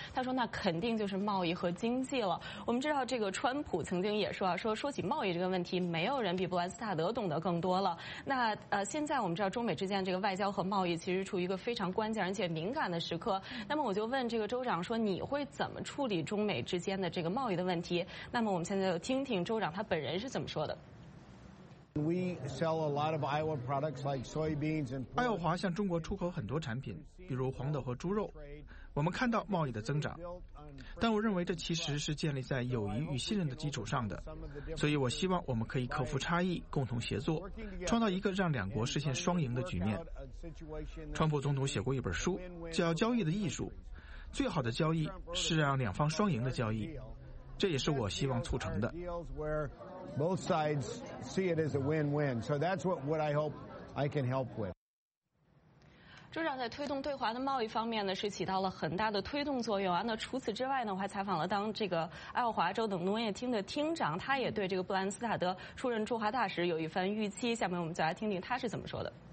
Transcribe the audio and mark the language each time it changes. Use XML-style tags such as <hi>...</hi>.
<zh>他说，那肯定就是贸易和经济了。我们知道这个川普曾经也说啊，说起贸易这个问题，没有人比布兰斯塔德懂得更多了。那现在我们知道中美之间这个外交和贸易其实处于一个非常关键而且敏感的时刻。那么我就问这个州长说，你会怎么处理中美之间的这个贸易的问题？那么我们现在就听听州长他本人是怎么说的。</zh> <en>We sell a lot of Iowa products like soybeans and.</en> <zh>爱奥华向中国出口很多产品，比如黄豆和猪肉。我们看到贸易的增长，但我认为这其实是建立在友谊与信任的基础上的。所以我希望我们可以克服差异，共同协作，创造一个让两国实现双赢的局面。川普总统写过一本书，叫《交易的艺术》，最好的交易是让两方双赢的交易，这也是我希望促成的。</zh> <en>Both sides see it as a win-win. So that's what I hope I can help with.</en> <zh>州长在推动对华的贸易方面呢，是起到了很大的推动作用啊。那除此之外呢，我还采访了当这个爱奥华州等农业厅的厅长，他也对这个布兰斯塔德出任驻华大使有一番预期。下面我们就来听听他是怎么说的。</zh>